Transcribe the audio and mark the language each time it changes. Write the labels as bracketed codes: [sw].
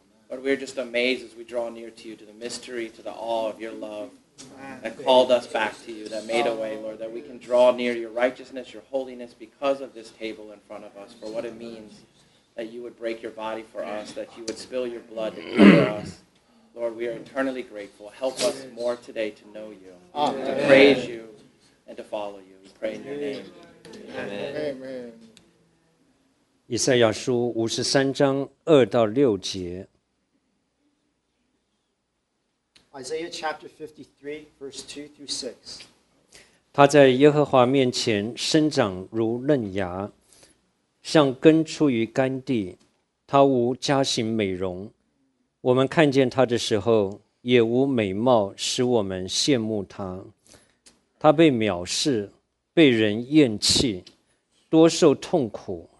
[en] Lord, we are just amazed as we draw near to you, to the mystery, to the awe of your love that called us back to you, that made a way, Lord, that we can draw near your righteousness, your holiness, because of this table in front of us, for what it means that you would break your body for us, that you would spill your blood to cover us. Lord, we are eternally grateful. Help us more today to know you, to praise you, and to follow you. We pray in your name. Amen. Amen. [zh] 以赛亚书五十三章二到六节。 [en] Isaiah chapter 53, verse 2 through 6. [zh] 他在耶和华面前生长如嫩芽，像根出于干地。他无家型美容，我们看见他的时候，也无美貌使我们羡慕他。他被藐视，被人厌弃，多受痛苦。